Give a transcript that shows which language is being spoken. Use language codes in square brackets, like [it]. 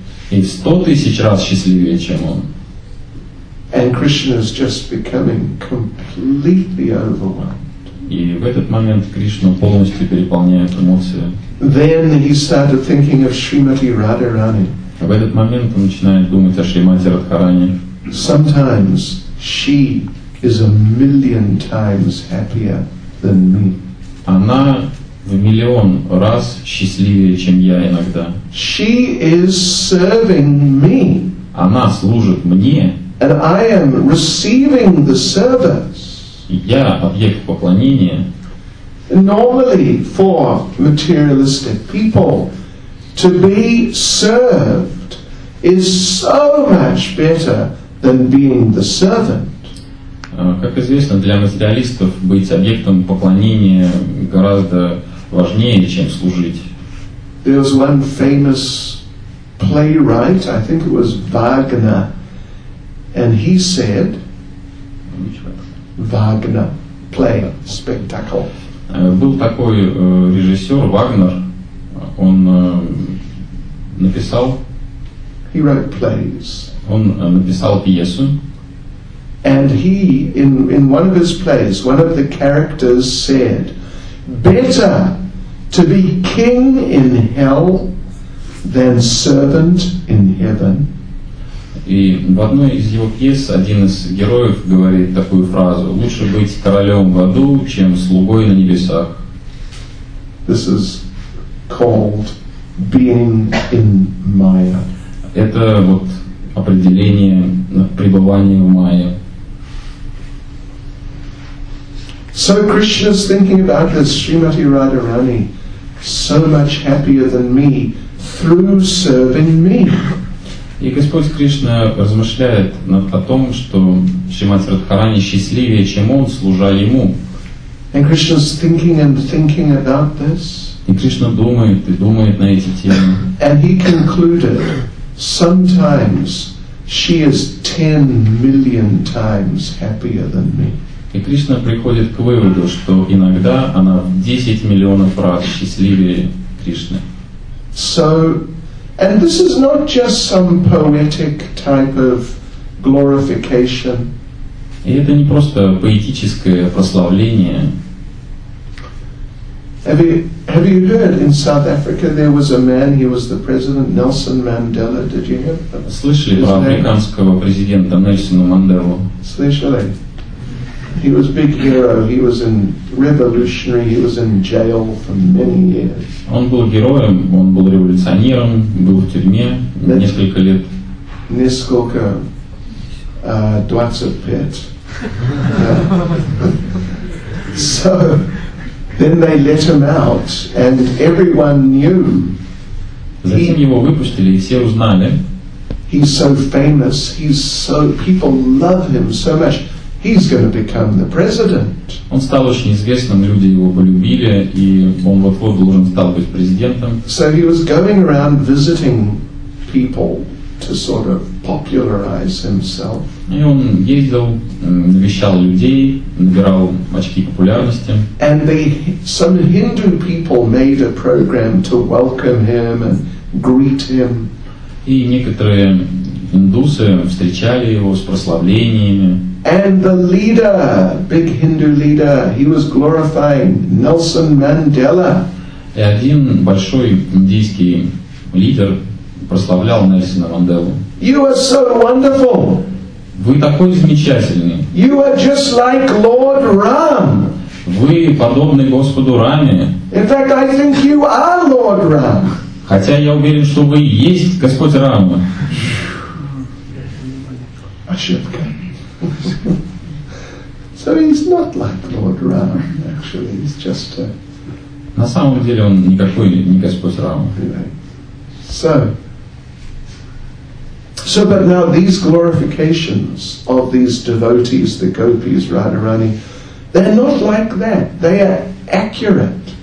[ru] И в 100 000 раз счастливее, чем он. [en] And Krishna is just becoming completely overwhelmed. [ru] И в этот момент Кришну полностью переполняет эмоции. [en] Then he started thinking of Srimati Radharani. [ru] В этот момент он начинает думать о Шримати Радхарани. [en] Sometimes she is a million times happier than me. [ru] Она в миллион раз счастливее, чем я иногда. [en] She is serving me. [ru] Она служит мне. [en] And I am receiving the service. [ru] Я объект поклонения. [en] Normally, for materialistic people, to be served is so much better than being the servant. [ru] Как известно, для материалистов быть объектом поклонения гораздо важнее, чем служить. [en] There was one famous playwright, I think it was Wagner, and he said, Wagner, play, spectacle. [ru] Был такой режиссер, Вагнер, он написал... [en] He wrote plays. [ru] Он написал пьесу. [en] And he, in one of his plays, one of the characters said, better to be king in hell than servant in heaven. [ru] И в одной из его пьес один из героев говорит такую фразу: лучше быть королем в аду, чем слугой на небесах. [en] This is called being in Maya. [ru] Это вот определение пребывания в Майе. [en] So Krishna is thinking about this Srimati Radharani so much happier than me through serving me. [ru] И Господь Кришна размышляет о том, что Шримати Радхарани счастливее, чем он, служа ему. [en] And Krishna's thinking and thinking about this. [ru] И Кришна думает и думает на эти темы. [en] And he concluded, sometimes she is 10 million times happier than me. [ru] И Кришна приходит к выводу, что иногда она в 10 000 000 раз счастливее Кришны. [en] So, and this is not just some poetic type of glorification. [ru] И это не просто поэтическое прославление. [en] Have you heard in South Africa there was a man, he was the president, Nelson Mandela, did you hear? [ru] Слышали про африканского президента Нельсона Манделу? Слышали. [en] He was a big hero, he was in revolutionary, he was in jail for many years. [ru] Он был героем, он был революционером, был в тюрьме несколько лет. Несколько, 25. [en] So, then they let him out, and everyone knew. [ru] Затем его выпустили, и все узнали. [en] He's so famous, people love him so much. He's going to become the president. [ru] Он стал очень известным, люди его полюбили, и он вот-вот должен стал быть президентом. [en] So he was going around visiting people to sort of popularize himself. [ru] И он ездил, навещал людей, набирал очки популярности. [en] And some Hindu people made a program to welcome him and greet him. [ru] И некоторые индусы встречали его с прославлениями. [en] And the leader, big Hindu leader, he was glorifying Nelson Mandela. [ru] И один большой индийский лидер прославлял Нельсона Манделу. [en] You are so wonderful. [ru] Вы такой замечательный. [en] You are just like Lord Ram. [ru] Вы подобны Господу Раме. [en] In fact, I think you are Lord Ram. [ru] Хотя я уверен, что вы есть Господь Рама. Ошибка. [en] So he's not like Lord Ram, actually, he's just a... [ru] На самом деле он никакой не Господь Рама. [en] Anyway. So, but now these glorifications of these devotees, the gopis, Radharani, they're not like that, they are accurate.